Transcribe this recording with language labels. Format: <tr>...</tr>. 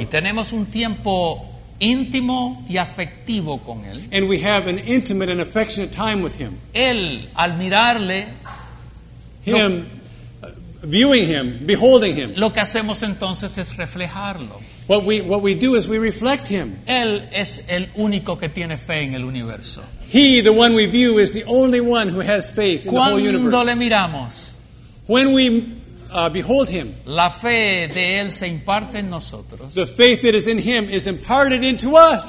<es>Y tenemos un tiempo íntimo y afectivo con Él.</es> <en>And we have an intimate and affectionate time with Him.</en> <es>Él, al mirarle.</es> <en>Him, viewing Him, beholding Him.</en> <es>Lo que hacemos entonces es reflejarlo.</es> <en>What we do is we reflect him.</en> <es>Él es el único que tiene fe en el universo.</es> <en>He, the one we view, is the only one who has faith in</en> <es>cuando</es> <en>the whole universe.</en> <es>Le miramos,</es> <en>when we behold him,</en> <es>la fe de él se imparte en nosotros,</es> <en>the faith that is in him is imparted into us.</en>